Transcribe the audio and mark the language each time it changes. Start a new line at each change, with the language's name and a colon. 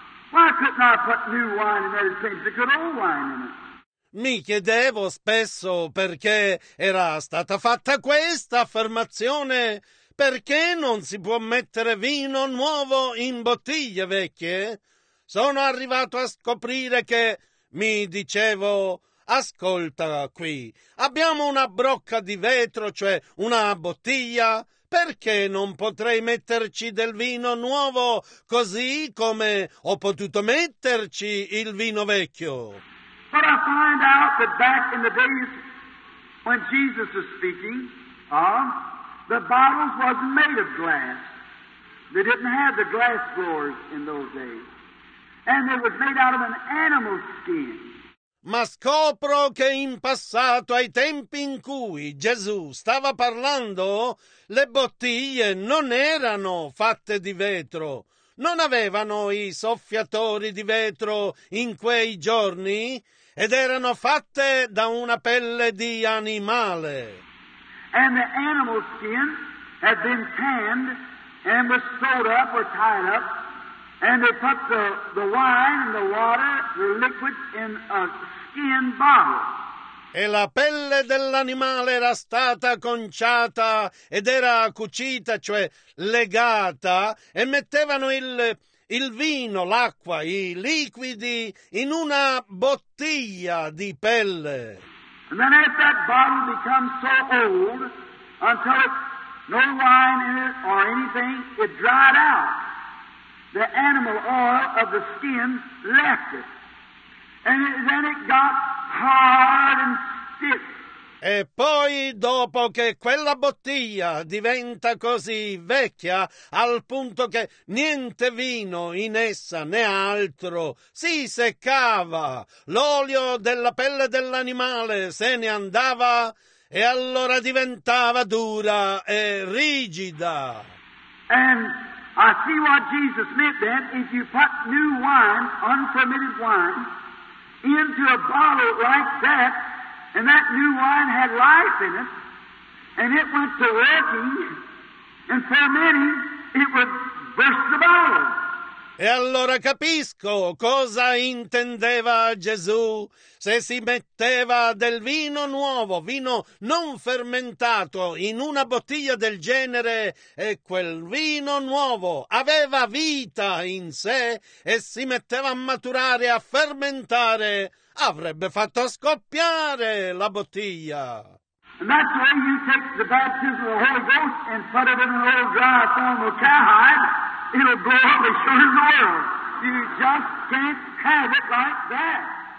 English: Why couldn't I put new wine in there and put good old wine in it?
Italian: Mi chiedevo spesso perché era stata fatta questa affermazione. Perché non si può mettere vino nuovo in bottiglie vecchie? Sono arrivato a scoprire che mi dicevo, ascolta qui, abbiamo una brocca di vetro, cioè una bottiglia, perché non potrei metterci del vino nuovo così come ho potuto metterci il vino vecchio?
English: But I find out that back in the days when Jesus was speaking the bottles wasn't made of glass. They didn't have the glass blowers in those days. And it was made out of an animal skin.
Italian: Ma scopro che in passato, ai tempi in cui Gesù stava parlando, le bottiglie non erano fatte di vetro. Non avevano i soffiatori di vetro in quei giorni ed erano fatte da una pelle di animale.
English: And the animal skin had been tanned and was sewed up or tied up, and they put the wine and the water, the liquid, in a skin bottle.
Italian: E la pelle dell'animale era stata conciata ed era cucita, cioè legata, e mettevano il vino, l'acqua, i liquidi in una bottiglia di pelle.
English: And then as that bottle becomes so old, until it's no wine in it or anything, it dried out. The animal oil of the skin left it. And then it got hard and stiff.
Italian: E poi, dopo che quella bottiglia diventa così vecchia, al punto che niente vino in essa né altro, si seccava, l'olio della pelle dell'animale se ne andava e allora diventava dura e rigida.
English: And I see what Jesus meant then, if you put new wine, unfermented wine, into a bottle like that, and that new wine had life in it, and it went to working, and for many, it would burst the bottle.
Italian: E allora capisco cosa intendeva Gesù. Se si metteva del vino nuovo, vino non fermentato, in una bottiglia del genere, e quel vino nuovo aveva vita in sé e si metteva a maturare, a fermentare, avrebbe fatto scoppiare la bottiglia.
English: And that's the way you take the baptism of the Holy Ghost and put it in an old dry form of cowhide. It'll blow up as sure as oil. You just can't have it like that.